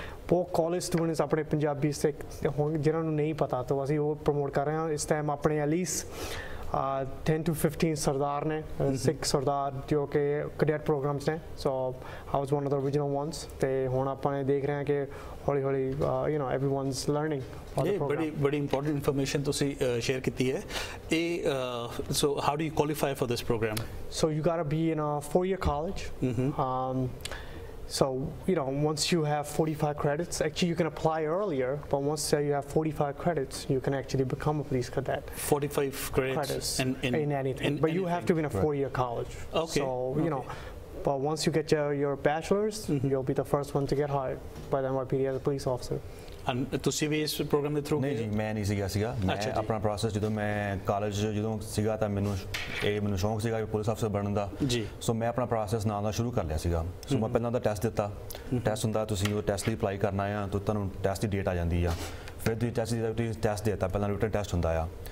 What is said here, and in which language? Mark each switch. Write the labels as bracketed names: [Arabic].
[Punjabi] ਬਹੁਤ college students ਆਪਣੇ ਪੰਜਾਬੀ ਸਿੱਖ ਹੋਣ ਜਿਹਨਾਂ ਨੂੰ ਨਹੀਂ ਪਤਾ ਤੋ ਅਸੀਂ ਉਹ ਪ੍ਰਮੋਟ ਕਰ ਰਹੇ ਹਾਂ ਇਸ ਟਾਈਮ ਆਪਣੇ ਐਟਲੀਸਟ 10 to 15 ਸਰਦਾਰ ਨੇ ਸਿੱਖ ਸਰਦਾਰ ਜੋ ਕਿ ਕਡੈਟ ਪ੍ਰੋਗਰਾਮਸ ਨੇ [English] so I was one of the original ones [Punjabi] ਅਤੇ ਹੁਣ ਆਪਾਂ ਦੇਖ ਰਹੇ ਹਾਂ ਕਿ ਹੌਲੀ ਹੌਲੀ [English] you know everyone is learning [Punjabi] ਬੜੀ ਇੰਪੋਰਟੈਂਟ ਇਨਫੋਰਮੇਸ਼ਨ ਤੁਸੀਂ ਸ਼ੇਅਰ ਕੀਤੀ ਹੈ ਇਹ [English] So how do you qualify for this program so you got to be in a 4-year college So, you know, once you have 45 credits, actually you can apply earlier, but once you have 45 credits, you can actually become a police cadet. 45 credits in anything. In but anything. You have to be in a 4-year college. Okay. So, you okay. know, but once you get your bachelor's, you'll be the first one to get hired by the NYPD as a police officer. [Punjabi] And ਤੁਸੀਂ ਵੀ ਇਸ programme ਦੇ through? ਨਹੀਂ ਜੀ, ਮੈਂ ਨਹੀਂ ਸੀਗਾ ਸੀਗਾ ਮੈਂ ਆਪਣਾ ਪ੍ਰੋਸੈਸ ਜਦੋਂ ਮੈਂ ਕਾਲਜ ਜਦੋਂ ਸੀਗਾ ਤਾਂ ਮੈਨੂੰ ਸ਼ੌਂਕ ਸੀਗਾ ਪੁਲਿਸ ਅਫਸਰ ਬਣਨ ਦਾ ਜੀ ਸੋ ਮੈਂ ਆਪਣਾ ਪ੍ਰੋਸੈਸ ਨਾਲ ਨਾਲ ਸ਼ੁਰੂ ਕਰ ਲਿਆ ਸੀਗਾ ਸੋ ਮੈਂ ਪਹਿਲਾਂ ਤਾਂ ਟੈਸਟ ਦਿੱਤਾ ਟੈਸਟ ਹੁੰਦਾ ਤੁਸੀਂ ਉਹ ਟੈਸਟ ਲਈ ਅਪਲਾਈ ਕਰਨਾ ਆ ਤਾਂ ਤੁਹਾਨੂੰ ਟੈਸਟ ਦੀ ਡੇਟ ਆ ਜਾਂਦੀ ਆ ਫਿਰ ਤੁਸੀਂ ਟੈਸਟ ਦਿੱਤਾ ਪਹਿਲਾਂ ਰਿਟਨ ਟੈਸਟ ਹੁੰਦਾ ਆ